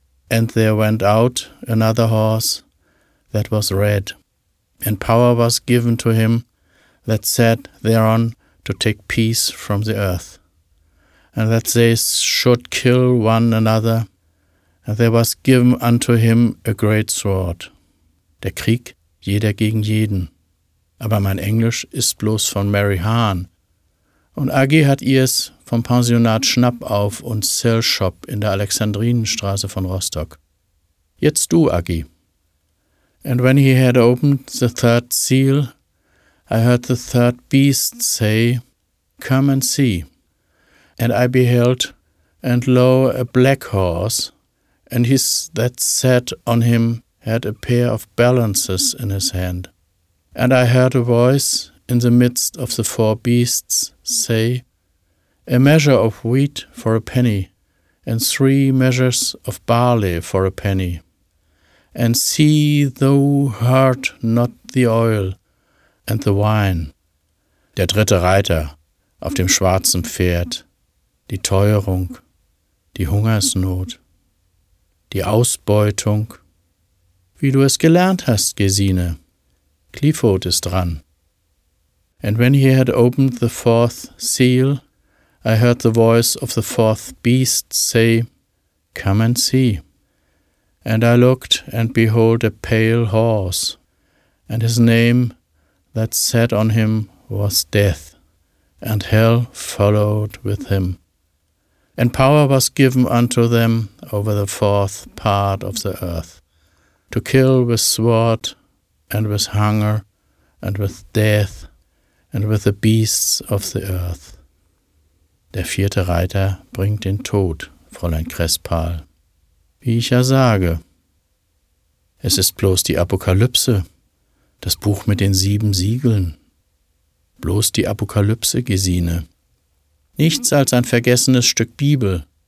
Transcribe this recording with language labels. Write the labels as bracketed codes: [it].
[en] And there went out another horse that was red, and power was given to him that sat thereon to take peace from the earth, and that they should kill one another, and there was given unto him a great sword. [de] Der Krieg, jeder gegen jeden. Aber mein Englisch ist bloß von Mary Hahn. Und Aggie hat ihr's vom Pensionat Schnappauf und Sell Shop in der Alexandrinenstraße von Rostock. Jetzt du, Aggie. [en] And when he had opened the third seal, I heard the third beast say, Come and see. And I beheld, and lo, a black horse, and he that sat on him had a pair of balances in his hand. And I heard a voice in the midst of the four beasts say, A measure of wheat for a penny, and three measures of barley for a penny. And see thou heart not the oil and the wine. [de] Der dritte Reiter auf dem schwarzen Pferd, die Teuerung, die Hungersnot, die Ausbeutung. Wie du es gelernt hast, Gesine. Clifford ist dran. [en] And when he had opened the fourth seal, I heard the voice of the fourth beast say, Come and see. And I looked, and behold a pale horse, and his name that sat on him was Death, and Hell followed with him. And power was given unto them over the fourth part of the earth, to kill with sword, and with hunger, and with death, and with the beasts of the earth. [de] Der vierte Reiter bringt den Tod, Fräulein Crespal. Wie ich ja sage. Es ist bloß die Apokalypse, das Buch mit den sieben Siegeln. Bloß die Apokalypse, Gesine. Nichts als ein vergessenes Stück Bibel.